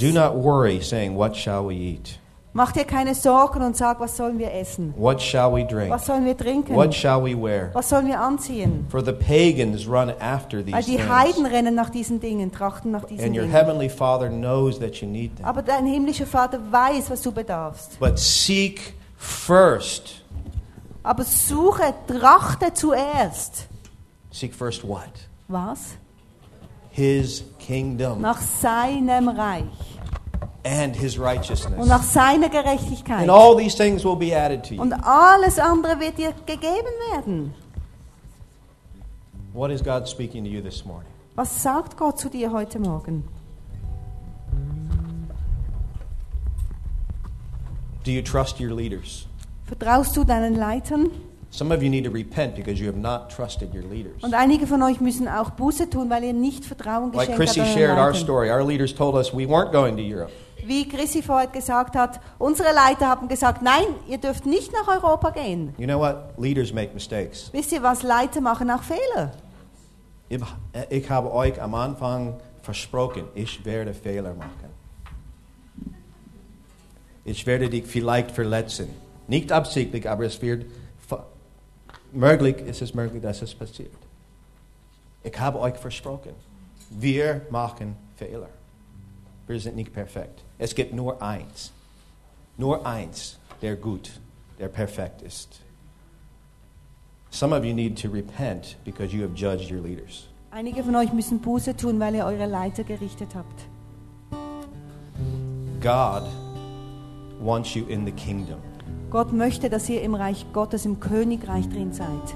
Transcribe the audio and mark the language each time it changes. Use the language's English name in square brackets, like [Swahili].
[English] Do not worry, saying, what shall we eat? [German] Mach dir keine Sorgen und sag, was sollen wir essen? [English] What shall we drink? [German] Was sollen wir trinken? [English] What shall we wear? [German] Was sollen wir anziehen? [English] For the pagans run after these [German] things. Weil die Heiden rennen nach diesen Dingen, trachten nach diesen [English] And your [German] Dingen. [English] Heavenly Father knows that you need them. [German] Aber dein himmlischer Vater weiß, was du bedarfst. [English] But seek first. [German] Aber suche, trachte zuerst. [English] Seek first what? [German] Was? [English] His kingdom. [German] Nach seinem Reich. [English] And his righteousness. [German] Und nach seiner Gerechtigkeit. [English] And all these things will be added to you. [German] Und alles andere wird dir gegeben werden. [English] What is God speaking to you this morning? [German] Was sagt Gott zu dir heute Morgen? [English] Do you trust your leaders? [German] Vertraust du deinen Leitern? [English] Some of you need to repent because you have not trusted your leaders. [German] Und einige von euch müssen auch Buße tun, weil ihr nicht Vertrauen geschenkt habt. [English] Like Chrissy shared our story, our leaders told us we weren't going to Europe. [German] Wie Chrissy vorher gesagt hat, unsere Leiter haben gesagt, nein, ihr dürft nicht nach Europa gehen. [English] You know what? Leaders make mistakes. [German] Wisst ihr was? Leiter machen auch Fehler. Ich habe euch am Anfang versprochen, ich werde Fehler machen. Ich werde dich vielleicht verletzen. Nicht absichtlich, aber es wird Möglich, es ist möglich, dass es passiert. Ich habe euch versprochen, wir machen Fehler. Wir sind nicht perfekt. Es gibt nur eins, der gut, der perfekt ist. [English] Some of you need to repent because you have judged your leaders. [German] Einige von euch müssen Buße tun, weil ihr eure Leiter gerichtet habt. [English] God wants you in the kingdom. [German] Gott möchte, dass ihr im Reich Gottes, im Königreich drin seid.